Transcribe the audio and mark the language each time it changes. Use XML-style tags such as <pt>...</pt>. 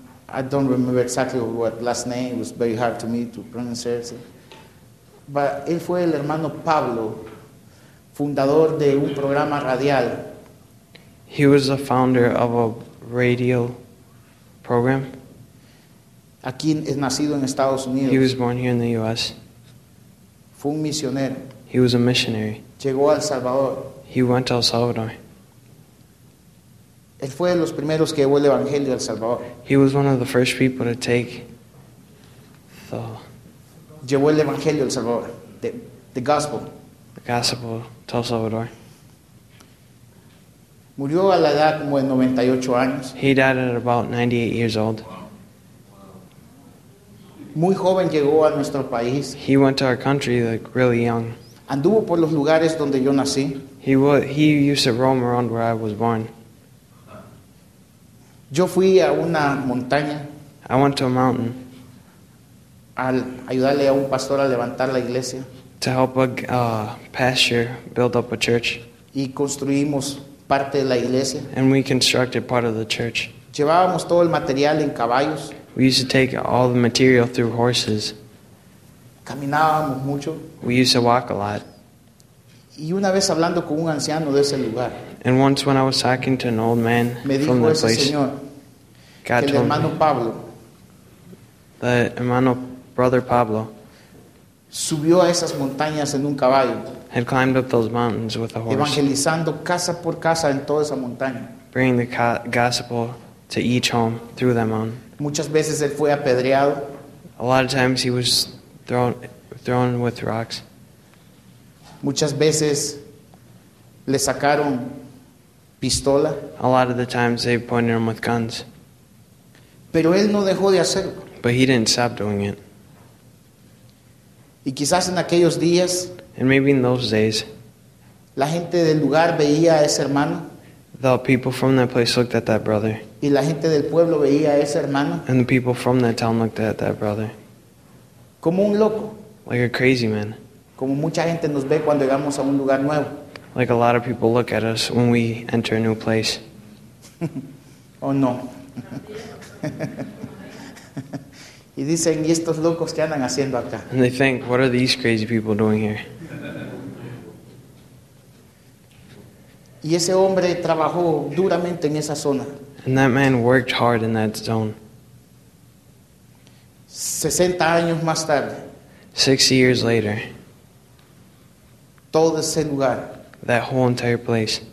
<en>I don't remember exactly what last name. It was very hard to me to pronounce it. But</en> <es>él fue el hermano Pablo, fundador de un programa radial.</es> <en>He was the founder of a radio program.</en> <es>Aquí es nacido en Estados Unidos.</es> <en>He was born here in the U.S.</en> <es>Fue un misionero.</es> <en>He was a missionary.</en> <es>Llegó a El Salvador.</es> <en>He went to El Salvador.</en> <es>Él fue de los primeros que llevó el evangelio a El Salvador.</es> <en>He was one of the first people to take the</en> <es>llevó el evangelio a El Salvador.</es> <en>The gospel. The gospel to El Salvador.</en> <es>Murió a la edad como de 98 años.</es> <en>He died at about 98 years old.</en> <es>Muy joven llegó a nuestro país.</es> <en>He went to our country like really young.</en> <es>Anduvo por los lugares donde yo nací.</es> <en>He used to roam around where I was born.</en> <es>Yo fui a una montaña.</es> <en>I went to a mountain.</en> <es>Al ayudarle a un pastor a levantar la iglesia.</es> <en>To help a pastor build up a church.</en> <es>Y construimos parte de la iglesia.</es> <en>And we constructed part of the church.</en> <es>Llevábamos todo el material en caballos.</es> <en>We used to take all the material through horses.</en> <es>Caminábamos mucho.</es> <en>We used to walk a lot.</en> <es>Y una vez hablando con un anciano de ese lugar.</es> <en>And once when I was talking to an old man from the place, God told me, the hermano brother Pablo</en> <es>subió a esas montañas en un caballo,</es> <en>had climbed up those mountains with a horse,</en> <es>evangelizando casa por casa en toda esa montaña,</es> <en>bringing the gospel to each home through that mountain.</en> <es>Muchas veces él fue apedreado.</es> <en>A lot of times he was thrown with rocks.</en> <es>Muchas veces le sacaron pistola.</es> <en>A lot of the times they pointed him with guns.</en> <es>Pero él no dejó de hacerlo.</es> <en>But he didn't stop doing it.</en> <es>Y quizás en aquellos días,</es> <en>and maybe in those days,</en> <es>la gente del lugar veía a ese hermano.</es> <en>The people from that place looked at that brother.</en> <es>Y la gente del pueblo veía a ese hermano.</es> <en>And the people from that town looked at that brother.</en> <es>Como un loco.</es> <en>Like a crazy man.</en> <es>Como mucha gente nos ve cuando llegamos a un lugar nuevo.</es> <en>Like a lot of people look at us when we enter a new place. Oh no.</en> <es>Y dicen, ¿y estos locos qué andan haciendo acá?</es> <en>And they think, what are these crazy people doing here?</en> <es>Y ese hombre trabajó duramente en esa zona.</es> <en>And that man worked hard in that zone.</en> <es>60 años más tarde.</es> <en>60 years later.</en> <es>Todo ese lugar.</es> <en>That whole entire place.</en>